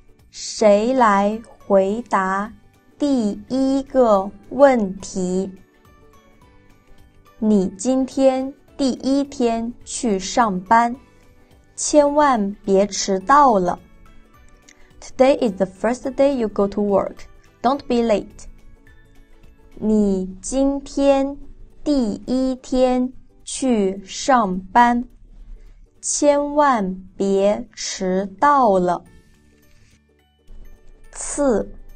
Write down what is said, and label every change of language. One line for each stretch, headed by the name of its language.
Chinese: 谁来回答第一个问题？你今天第一天去上班，千万别迟到了。
English: Today is the first day you go to work. Don't be late.
Chinese: 你今天第一天去上班，千万别迟到了。次。